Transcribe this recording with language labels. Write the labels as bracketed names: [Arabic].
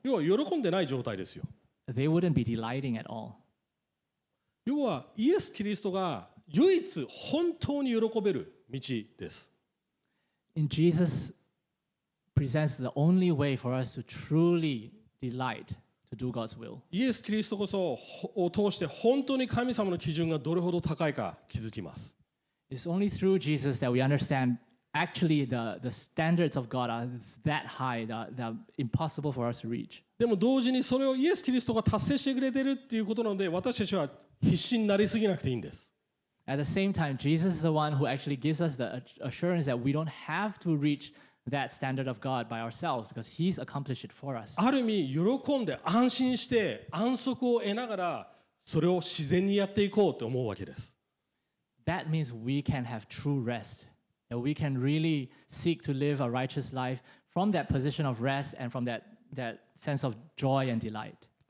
[Japanese] 要は喜んでない状態ですよ。 [English] They wouldn't be delighting at all. [Japanese] 要はイエス・キリストが唯一本当に喜べる道です。 [English] And Jesus presents the only way for us to truly delight to do God's will. [Japanese] イエス・キリストこそを通して本当に神様の基準がどれほど高いか気づきます。 [English] It's only through Jesus that we understand actually the standards of God are that high, that impossible for us to reach. [Japanese] でも同時にそれをイエス・キリストが達成してくれてるっていうことなので私たちは必死になりすぎなくていいんです。 [English] At the same time, Jesus is the one who actually gives us the assurance that we don't have to reach that standard of God by ourselves because He's accomplished it for us. [Japanese] ある意味喜んで安心して安息を得ながらそれを自然にやっていこうと思うわけです。 [English] That means we can have true rest. That we can really seek to live a righteous life from that position of rest and from that sense of joy and delight.